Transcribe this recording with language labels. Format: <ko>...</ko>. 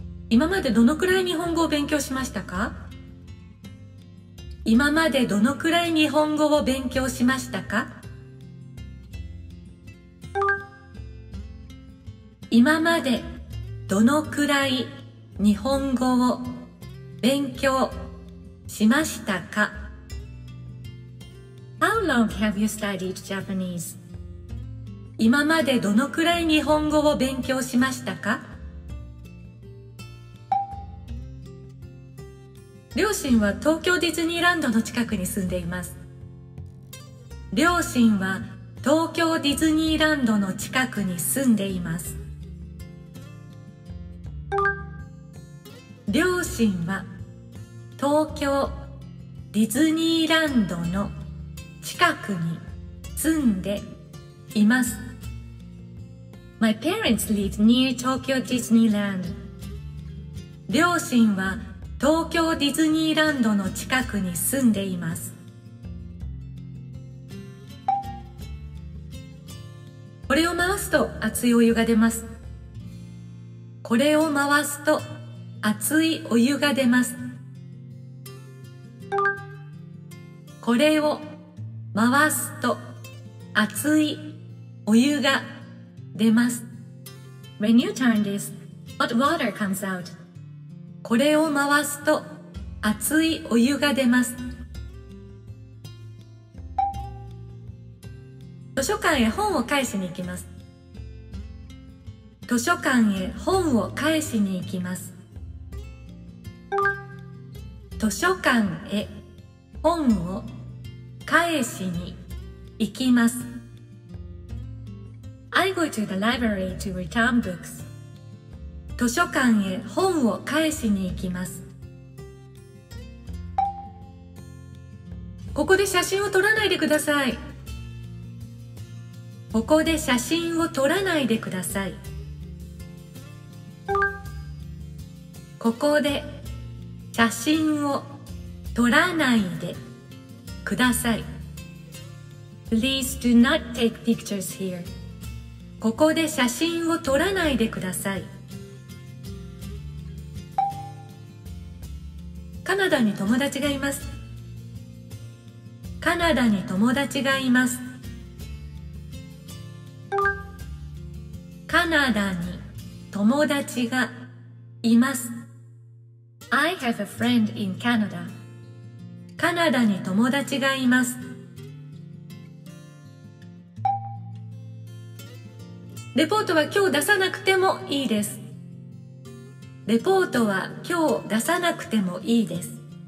<ja>今までどのくらい日本語を勉強しましたか？今までどのくらい日本語を勉強しましたか？今までどのくらい日本語を勉強しましたか？</ja> <en>How long have you studied Japanese?</en> <ja>今までどのくらい日本語を勉強しましたか？両親は東京ディズニーランドの近くに住んでいます。両親は東京ディズニーランドの近くに住んでいます。両親は東京ディズニーランドの近くに住んでいます。</ja> <en>My parents live near Tokyo Disneyland.</en> <ja>両親は東京ディズニーランドの近くに住んでいます。これを回すと熱いお湯が出ます。これを回すと熱いお湯が出ます。これを回すと熱いお湯が出ます。</ja> <en>When you turn this, hot water comes out.</en> <ja>これを回すと熱いお湯が出ます。図書館へ本を返しに行きます。図書館へ本を返しに行きます。図書館へ本を返しに行きます。</ja> <en>I go to the library to return books.</en> <ja>図書館へ本を返しに行きます。ここで写真を撮らないでください。ここで写真を撮らないでください。ここで写真を撮らないでください。</ja> <en>Please do not take pictures here.</en> <ja>ここで写真を撮らないでください。カナダに友達がいます。カナダに友達がいます。カナダに友達がいます。</ja> <en>I have a friend in Canada.</en> <ja>カナダに友達がいます。レポートは今日出さなくてもいいです。レポートは今日出さなくてもいいです。</ja>